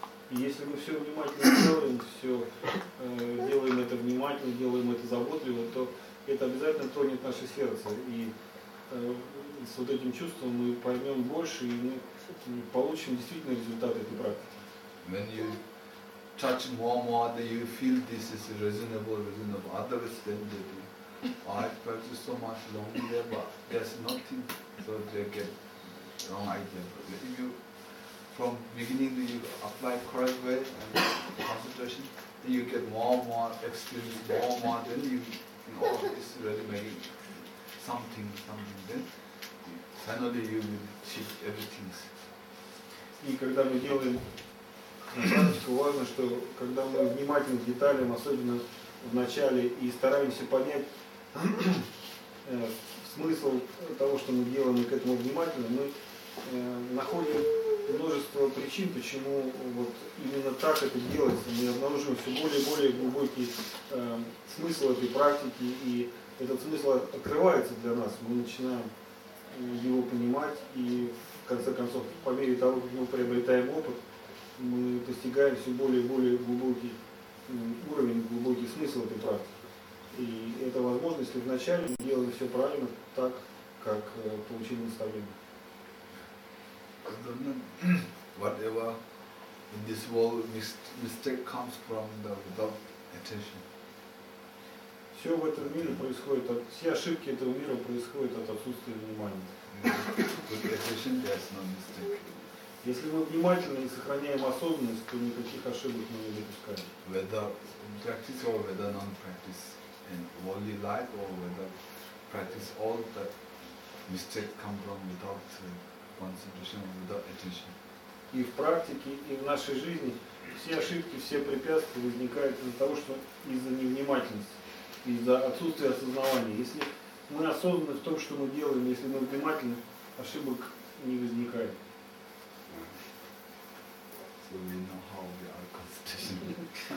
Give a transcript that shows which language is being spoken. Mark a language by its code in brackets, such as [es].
[ru] И если мы все внимательно делаем, все делаем это внимательно, делаем это заботливо, то это обязательно тронет наше сердце, и с вот этим чувством мы поймем больше, и мы получим действительно результат этой практики. [en] When you touch more, then you feel this is reasonable. Otherwise, then they do. I practice so much longer, but there's nothing, so they get wrong idea. But if you, from beginning, you apply correct way and concentration, then you get more experience, more then you. It's really making something then. Finally you will achieve everything. [ru] И когда мы делаем практику, важно, что когда мы внимательны к деталям, особенно в начале, и стараемся понять смысл того, что мы делаем, и к этому внимательно, мы находим множество причин, почему вот именно так это делается. Мы обнаруживаем все более и более глубокий смысл этой практики, и этот смысл открывается для нас. Мы начинаем его понимать, и в конце концов, по мере того, как мы приобретаем опыт, мы достигаем все более и более глубокий уровень, глубокий смысл этой практики. И это возможно, если вначале мы делаем все правильно, так, как получили наставление. [en] Whatever in this world mistake comes from the without attention. [ru] Все в этом мире происходит, все ошибки этого мира происходят от отсутствия внимания. [en] With attention, there's no mistake. [ru] Если мы внимательны и сохраняем осознанность, то никаких ошибок мы не допускаем. [en] Whether practice or whether non-practice in worldly life or whether practice all the mistake come from without concentration or without attention. [ru] И в практике, и в нашей жизни все ошибки, все препятствия возникают из-за того, что из-за невнимательности, из-за отсутствия осознавания. Если мы осознаны в том, что мы делаем, если мы внимательны, ошибок не возникает. [en] So we know how we are concentrating.